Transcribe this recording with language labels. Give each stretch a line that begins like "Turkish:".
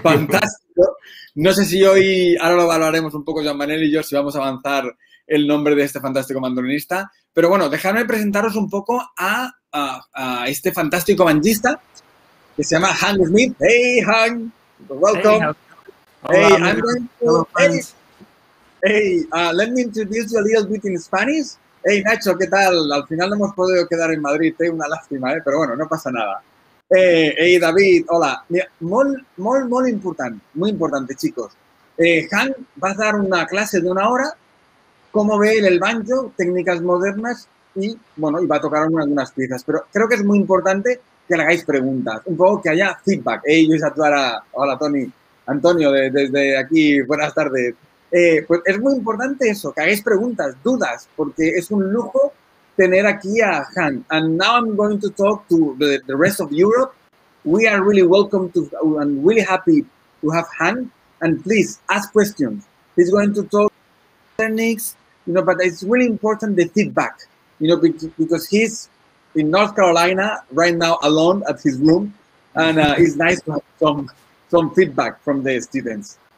Spanish: Fantástico. No sé si hoy, ahora lo valoraremos un poco Joan Manel y yo, si vamos a avanzar el nombre de este fantástico mandolinista. Pero bueno, dejadme presentaros un poco a este fantástico banjista que se llama Hank Smith.
English: Hey, Hank. Welcome. Hey, hola, hey, hey, let me introduce you a little bit in Spanish.
Spanish: Hey, Nacho, ¿qué tal? Al final no hemos podido quedar en Madrid, ¿eh? Una lástima, ¿eh? Pero bueno, no pasa nada. Hey, David, hola. Mira, muy importante, muy importante, chicos. Han va a dar una clase de una hora, cómo ve el banjo, técnicas modernas y, bueno, y va a tocar algunas piezas. Pero creo que es muy importante que le hagáis preguntas, un poco que haya feedback. Hey, Luis Atuara, hola, Tony. Antonio, desde aquí, buenas tardes. Pues es muy importante eso, que hagáis preguntas, dudas, porque es un lujo tener aquí a Han.
English: And now I'm going to talk to the rest of Europe. We are really welcome to and really happy to have Han. And please ask questions. He's going to talk techniques, you know, but it's really important the feedback, you know, because he's in North Carolina right now alone at his room, and it's nice to have some feedback from the students.